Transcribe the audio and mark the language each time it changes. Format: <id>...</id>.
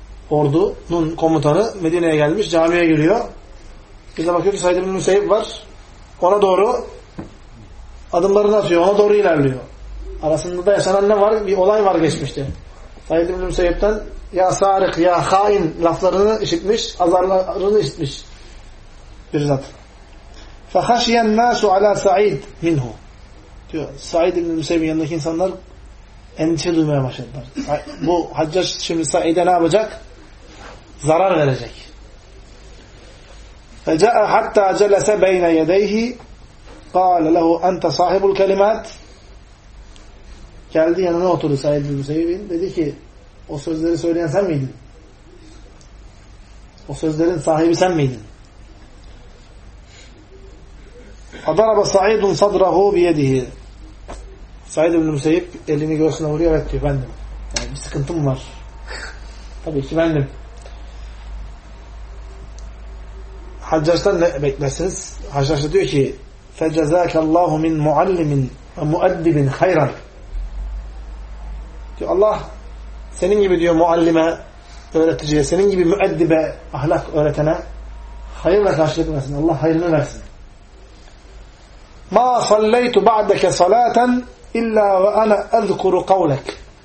<tr>Ordunun komutanı Medine'ye gelmiş, camiye giriyor. Bir de bakıyor ki Said İbn-i Müseyyib var. Ona doğru adımlarını atıyor, ona doğru ilerliyor. Arasında da yaşanan ne var? Bir olay var geçmişte. Said İbn-i Müseyyib'den ya sarık, ya hain laflarını işitmiş, azarlarını işitmiş bir zat.</tr> <ar>فَخَشْيَ النَّاسُ عَلَى سَعِيدٍ مِنْهُ diyor.</ar> <tr>Said İbn-i Müseyyib'in yanındaki insanlar endişe duymaya başladılar. Bu Haccac şimdi Said'e ne yapacak? Zarar verecek.</tr> <ar>فَجَاءَ حَتَّى جَلَسَ بَيْنَ يَدَيْهِ قَالَ لَهُ أَنْتَ صَاحِبُ الْكَلِمَاتِ</ar> <tr>Geldi yanına oturdu Said İbn-i Müseyyib'in. Dedi ki, o sözleri söyleyen sen miydin? O sözlerin sahibi sen miydin?</tr> <ar>فضرب سعيد صدره بيده.</ar> <tr>Said ibn Musayyib elini göğsüne vuruyor. Evet diyor, efendim. Yani bir sıkıntım var. Tabii ki efendim. Haccaç'tan ne beklersiniz? Haccaç'ta diyor ki</tr> <ar>فَجَزَاكَ اللّٰهُ مِنْ مُعَلِّمٍ وَمُؤَدِّبٍ خَيْرًا.</ar> <tr>Diyor Allah senin gibi diyor muallime, öğreticiye, senin gibi müeddibe, ahlak öğretene hayırla karşılık versin. Allah hayırını versin.</tr> <ar>مَا صَلَّيْتُ بَعْدَكَ صَلَاتًا İlla ve ana ezkuru kavlek.</ar>